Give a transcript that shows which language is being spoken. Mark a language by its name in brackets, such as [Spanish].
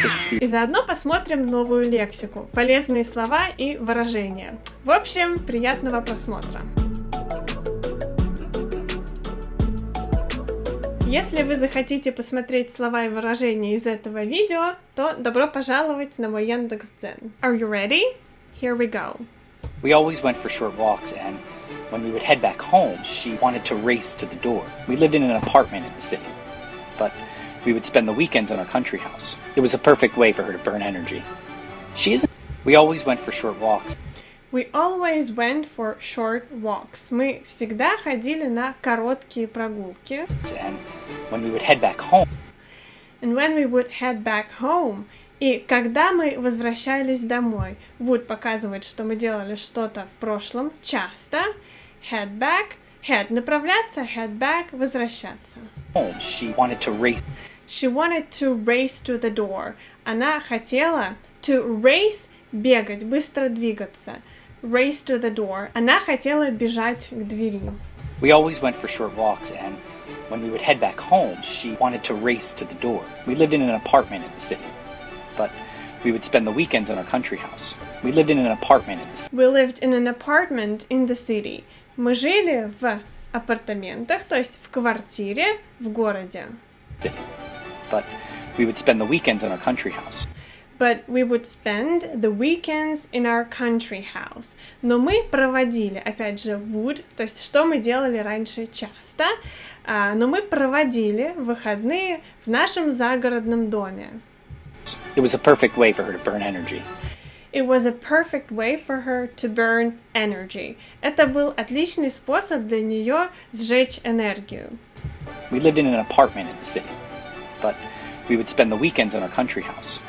[Russian] И заодно посмотрим новую лексику, полезные слова и выражения. В общем, приятного просмотра! Если вы захотите посмотреть слова и выражения из этого видео, то добро пожаловать на мой Яндекс.Дзен. [English] Are you ready? Here we go. We always went for short walks, and when we would head back home, she wanted to race to the door. We lived in an apartment in the city, but we would spend the weekends in our country house. It was a perfect way for her to burn energy. She isn't... We always went for short walks. We always went for short walks. [Russian] Мы всегда ходили на короткие прогулки. [English] And when we would head back home... And when we would head back home... [Russian] И когда мы возвращались домой, would показывать, что мы делали что-то в прошлом часто. Head back, head, направляться, head back, возвращаться. [English] She wanted to race. She wanted to race to the door. [Russian] Она хотела [English] to race, [Russian] бегать, быстро двигаться. [English] Race to the door. [Russian] Она хотела бежать к двери. [English] We always went for short walks, and when we would head back home, she wanted to race to the door. We lived in an apartment in the city. But we would spend the weekends in our country house. We lived in an apartment in the city. We lived in an apartment in the city. [Russian] Мы жили в апартаментах, то есть в квартире в городе. [English] But we would spend the weekends in our country house. But we would spend the weekends in our country house. [Russian] Но мы проводили, опять же, would, то есть что мы делали раньше часто, но мы проводили выходные в нашем загородном доме. [English] It was a perfect way for her to burn energy. It was a perfect way for her to burn energy. [Russian] Это был отличный способ для нее сжечь энергию. [English] We lived in an apartment in the city, but we would spend the weekends in our country house.